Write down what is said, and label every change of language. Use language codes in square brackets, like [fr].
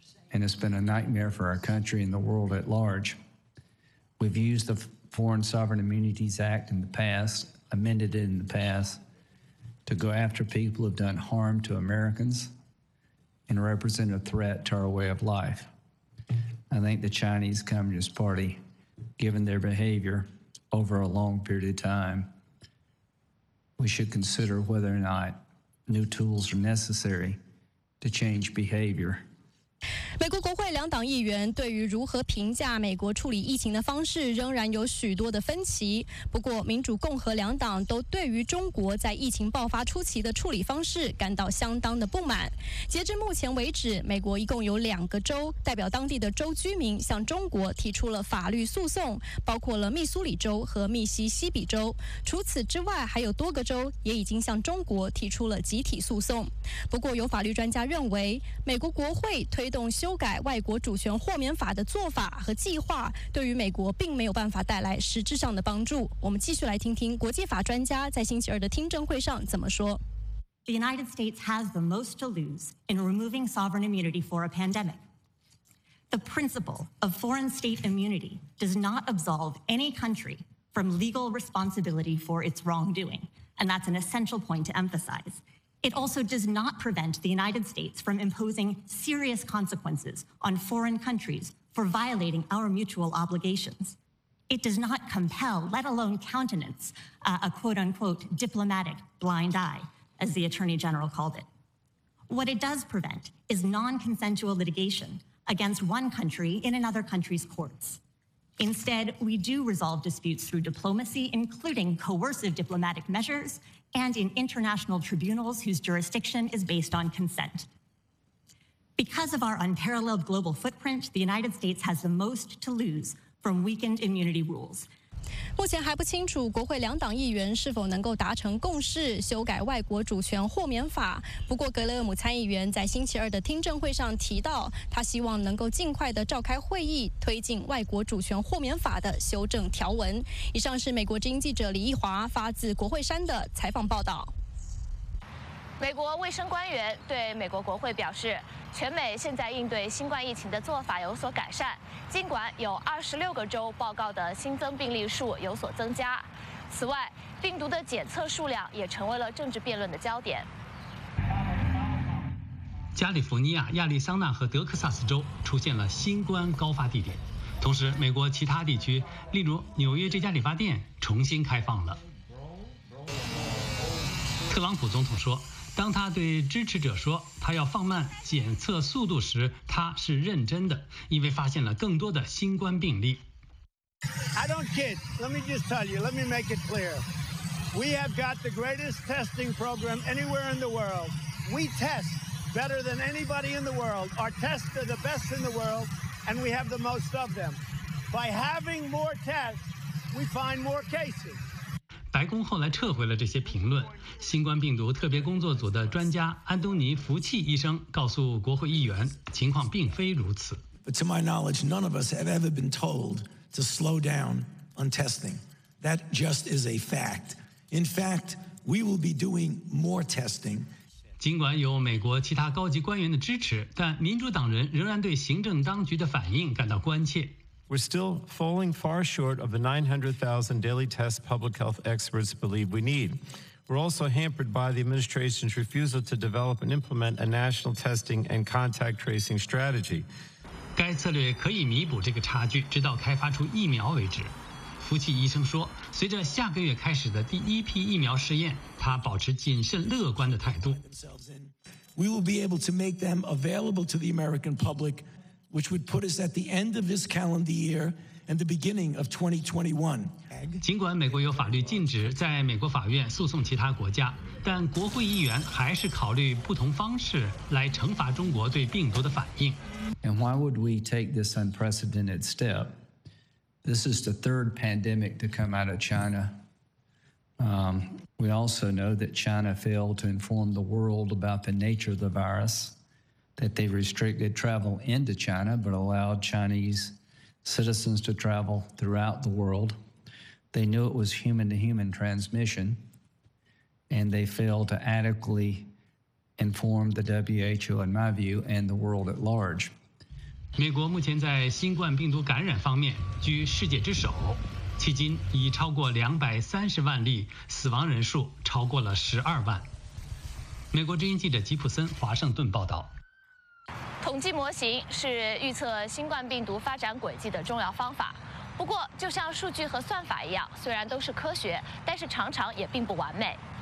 [en] And it's been a nightmare for our country and the world at large. We've used the Foreign Sovereign Immunities Act in the past, amended it in the past, to go after people who have done harm to Americans and represent a threat to our way of life. I think the Chinese Communist Party, given their behavior over a long period of time,We should consider whether or not new tools are necessary to change behavior. [zh] 美国国会两党议员对于如何评价美国处理疫情的方式仍然有许多的分歧。不过，民主共和两党都对于中国在疫情爆发初期的处理方式感到相当的不满。截至目前为止，美国一共有两个州代表当地的州居民向中国提出了法律诉讼，包括了密苏里州和密西西比州。除此之外，还有多个州也已经向中国提出了集体诉讼。不过，有法律专家认为，美国国会推动修改外国主权豁免法的做法和计划对于美国并没有办法带来实质上的帮助。我们继续来听听国际法专家在星期二的听证会上怎么说。 [en] The United States has the most to lose in removing sovereign immunity for a pandemic. The principle of foreign state immunity does not absolve any country from legal responsibility for its wrongdoing, and that's an essential point to emphasize. It also does not prevent the United States from imposing serious consequences on foreign countries for violating our mutual obligations. It does not compel, let alone countenance, a quote-unquote diplomatic blind eye, as the Attorney General called it. What it does prevent is non-consensual litigation against one country in another country's courts. Instead, we do resolve disputes through diplomacy, including coercive diplomatic measures,and in international tribunals whose jurisdiction is based on consent. Because of our unparalleled global footprint, the United States has the most to lose from weakened immunity rules. [zh] 目前还不清楚国会两党议员是否能够达成共识修改外国主权豁免法，不过格雷厄姆参议员在星期二的听证会上提到，他希望能够尽快的召开会议推进外国主权豁免法的修正条文。以上是美国之音记者李义华发自国会山的采访报道。美国卫生官员对美国国会表示，全美现在应对新冠疫情的做法有所改善，尽管有26个州报告的新增病例数有所增加。此外，病毒的检测数量也成为了政治辩论的焦点。加利福尼亚、亚利桑那和德克萨斯州出现了新冠高发地点，同时美国其他地区，例如纽约这家理发店重新开放了。特朗普总统说，当他对支持者说他要放慢检测速度时，他是认真的，因为发现了更多的新冠病例。 [en] I don't kid. Let me just tell you. Let me make it clear. We have got the greatest testing program anywhere in the world. We test better than anybody in the world. Our tests are the best in the world, and we have the most of them. By having more tests, we find more cases. [zh] 白宫后来撤回了这些评论。新冠病毒特别工作组的专家安东尼·福契医生告诉国会议员，情况并非如此。 [en] But to my knowledge, none of us have ever been told to slow down on testing. That just is a fact. In fact, we will be doing more testing. [zh] 尽管有美国其他高级官员的支持，但民主党人仍然对行政当局的反应感到关切。 [en] We're still falling far short of the 900,000 daily tests public health experts believe we need. We're also hampered by the administration's refusal to develop and implement a national testing and contact tracing strategy. [zh] 该策略可以弥补这个差距，直到开发出疫苗为止。福契医生说，随着下个月开始的第一批疫苗试验，他保持谨慎乐观的态度。 [en] We will be able to make them available to the American public. Which would put us at the end of this calendar year and the beginning of 2021. [zh] 尽管美国有法律禁止在美国法院诉讼其他国家，但国会议员还是考虑不同方式来惩罚中国对病毒的反应。 [en] And why would we take this unprecedented step? This is the third pandemic to come out of China. We also know that China failed to inform the world about the nature of the virus. That they restricted travel into China, but allowed Chinese citizens to travel throughout the world. They knew it was human-to-human transmission, and they failed to adequately inform the WHO, in my view, and the world at large. [zh] 美国目前在新冠病毒感染方面居世界之首，迄今已超过230万例，死亡人数超过了12万。美国之音记者吉普森华盛顿报道。统计模型是预测新冠病毒发展轨迹的重要方法，不过就像数据和算法一样，虽然都是科学，但是常常也并不完美。